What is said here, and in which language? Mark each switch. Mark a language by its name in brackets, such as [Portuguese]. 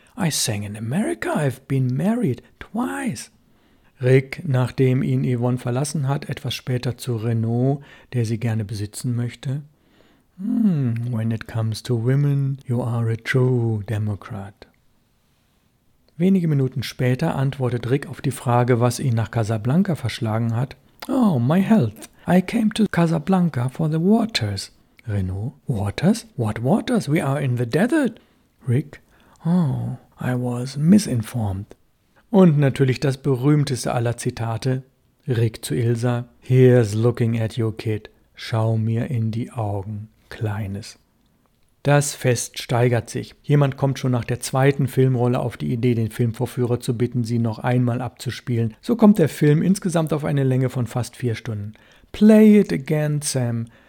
[English] I sang in America, I've been married twice." [German] Rick, nachdem ihn Yvonne verlassen hat, etwas später zu Renaud, der sie gerne besitzen möchte: [English] "When it comes to women, you are a true Democrat." [German] Wenige Minuten später antwortet Rick auf die Frage, was ihn nach Casablanca verschlagen hat: [English] "Oh, my health. I came to Casablanca for the waters." Renaud: "Waters? What waters? We are in the desert." Rick: "Oh, I was misinformed." [German] Und natürlich das berühmteste aller Zitate. Rick zu Ilsa: [English] "Here's looking at you, kid. [German] Schau mir in die Augen, Kleines." Das Fest steigert sich. Jemand kommt schon nach der zweiten Filmrolle auf die Idee, den Filmvorführer zu bitten, sie noch einmal abzuspielen. So kommt der Film insgesamt auf eine Länge von fast 4 Stunden. [English] "Play it again, Sam.